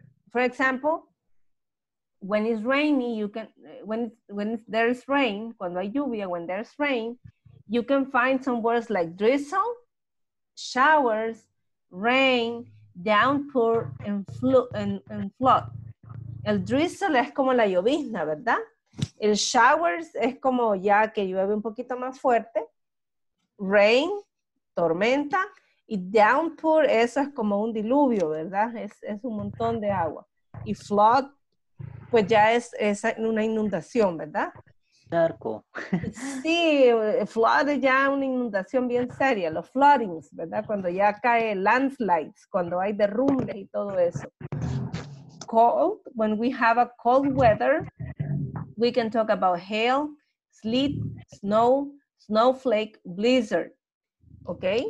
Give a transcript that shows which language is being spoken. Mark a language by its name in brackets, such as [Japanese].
[English] For example, when it's rainy, you can, when there is rain, [Spanish] cuando hay lluvia, [English] when there's rain, you can find some words like drizzle, showers, rain, downpour, and flood. [Spanish] El drizzle es como la llovizna, ¿verdad? El showers es como ya que llueve un poquito más fuerte. [English] Rain, [Spanish] tormenta, y downpour, eso es como un diluvio, ¿verdad? Es un montón de agua. Y flood, pues ya es una inundación, ¿verdad? Charco. Sí, flood es ya una inundación bien seria, los floodings, ¿verdad? Cuando ya cae [English] landslides, [Spanish] cuando hay derrumbes y todo eso. [English] Cold, when we have a cold weather, we can talk about hail, sleet, snow, snowflake, blizzard, [Spanish] ¿ok?